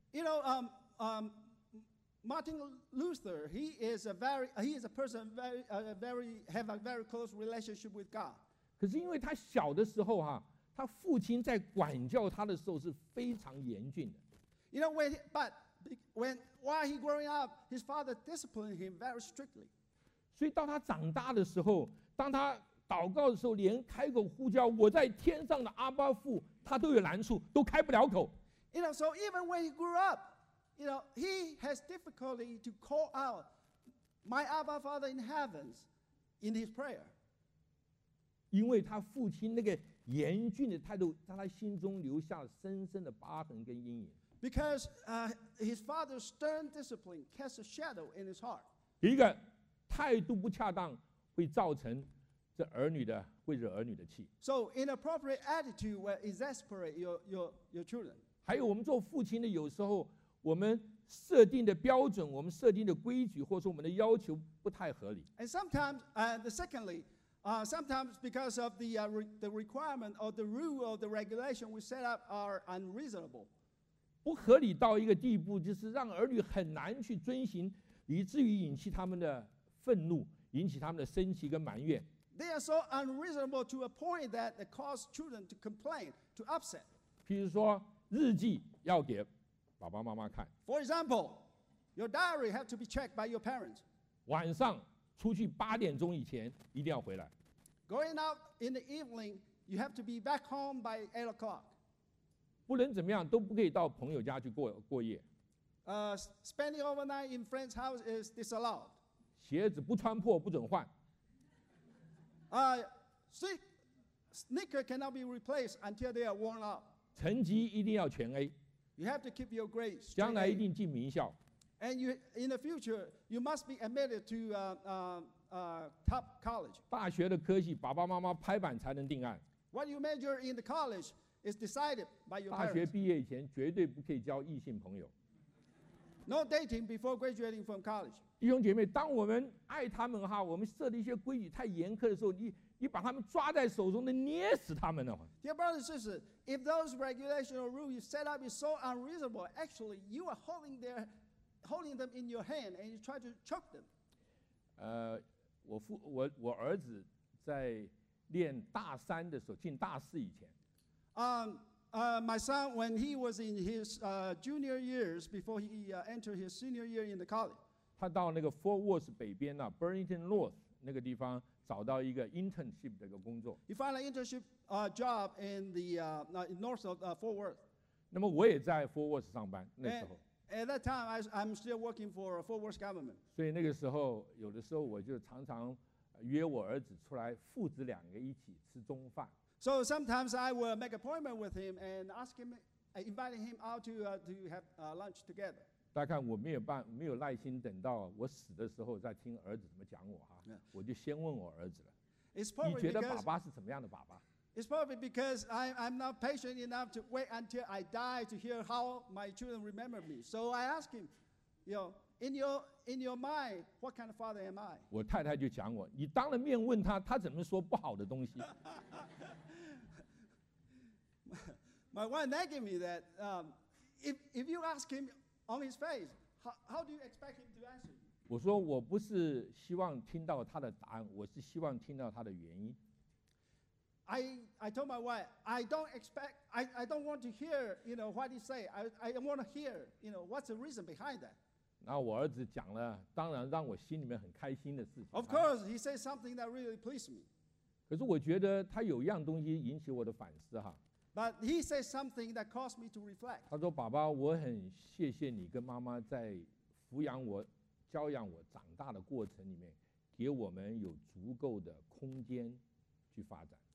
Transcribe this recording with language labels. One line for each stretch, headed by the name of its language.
English: You know, Martin Luther, he is a person who has a very close relationship with God.
Chinese: 可是因为他小的时候哈，他父亲在管教他的时候是非常严峻的。
English: You know, while he growing up, his father disciplined him very strictly.
Chinese: 所以到他长大的时候，当他祷告的时候，连开口呼叫我在天上的阿爸父，他都有难处，都开不了口。
English: You know, so even when he grew up. You know, he has difficulty to call out my Abba Father in heavens in his prayer.
Chinese: 因为他父亲那个严峻的态度，在他心中留下了深深的疤痕跟阴影。
English: Because his father's stern discipline casts a shadow in his heart.
Chinese: 一个态度不恰当，会造成这儿女的会惹儿女的气。
English: So inappropriate attitude will exasperate your children.
Chinese: 还有我们做父亲的有时候。我们设定的标准，我们设定的规矩，或者说我们的要求不太合理。
English: And sometimes, sometimes because of the requirement or the rule or the regulation we set up are unreasonable.
Chinese: 不合理到一个地步，就是让儿女很难去遵行，以至于引起他们的愤怒，引起他们的生气跟埋怨。
English: They are so unreasonable to a point that they cause children to complain, to upset.
Chinese: 譬如说，日记要给。爸爸妈妈看。
English: For example, your diary has to be checked by your parents.
Chinese: 晚上出去八点钟以前一定要回来。
English: Going out in the evening, you have to be back home by 8 o'clock.
Chinese: 不能怎么样都不可以到朋友家去过夜。
English: Spending overnight in friend's house is disallowed.
Chinese: 鞋子不穿破不准换。
English: Sneaker cannot be replaced until they are worn out.
Chinese: 成绩一定要全 A。
English: You have to keep your grades.
Chinese: 将来一定进名校。
English: And you, in the future, you must be admitted to top college.
Chinese: 大学的科系，爸爸妈妈拍板才能定案。
English: What you major in the college is decided by your parents.
Chinese: 大学毕业以前绝对不可以交异性朋友。
English: No dating before graduating from college.
Chinese: 弟兄姐妹，当我们爱他们哈，我们设立一些规矩太严苛的时候，你把他们抓在手中，能捏死他们的话。
English: Dear brothers and sisters, if those regulations or rules you set up is so unreasonable, actually you are holding them in your hand and you try to choke them.
Chinese: 我儿子在念大三的时候，进大四以前。
English: My son, when he was in his junior years before he entered his senior year in the college,
Chinese: 他到那个 Fort Worth 北边呐、啊、，Burlington North 那个地方。找到一个 internship 的一个工作。
English: He found an internship job in the north of Fort Worth.
Chinese: 那么我也在 Fort Worth 上班，那时候。
English: At that time, I'm still working for a Fort Worth government.
Chinese: 所以那个时候，有的时候我就常常约我儿子出来，父子两个一起吃中饭。
English: So sometimes I will make an appointment with him and ask him, invite him out to have lunch together.
Chinese: 大家看，我没有办，没有耐心等到我死的时候再听儿子怎么讲我哈，我就先问我儿子了。你觉得爸爸是怎么样的爸爸？
English: It's probably because I'm not patient enough to wait until I die to hear how my children remember me. So I ask him, you know, in your mind, what kind of father am I?
Chinese: 我太太就讲我，你当了面问他，他怎么说不好的东西？
English: My wife nagging me that if you ask him on his face, how do you expect him to answer you?
Chinese: 我说我不是希望听到他的答案，我是希望听到他的原因。
English: I told my wife, I don't want to hear, you know, what he say. I want to hear, you know, what's the reason behind that.
Chinese: 然后我儿子讲了，当然让我心里面很开心的事情。
English: Of course, he said something that really pleased me.
Chinese: 可是我觉得他有一样东西引起我的反思哈。
English: But he said something that caused me to reflect.
Chinese: 他说，爸爸，我很谢谢你跟妈妈在抚养我、教养我长大的过程里面，给我们有足够的空间去发展。